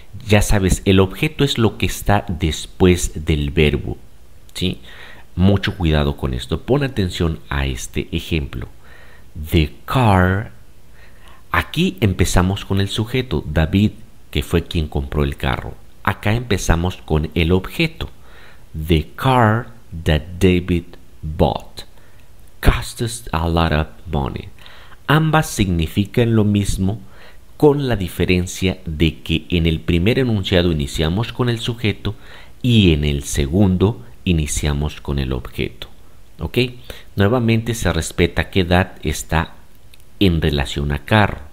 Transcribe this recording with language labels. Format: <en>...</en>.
<es>Ya sabes, el objeto es lo que está después del verbo. ¿Sí? Mucho cuidado con esto. Pon atención a este ejemplo.</es> <en>The car.</en> <es>Aquí empezamos con el sujeto, David, que fue quien compró el carro. Acá empezamos con el objeto.</es> <en>The car that David bought cost us a lot of money.</en> <es>Ambas significan lo mismo, con la diferencia de que en el primer enunciado iniciamos con el sujeto y en el segundo iniciamos con el objeto. ¿Ok? Nuevamente se respeta qué edad está en relación a carro.</es>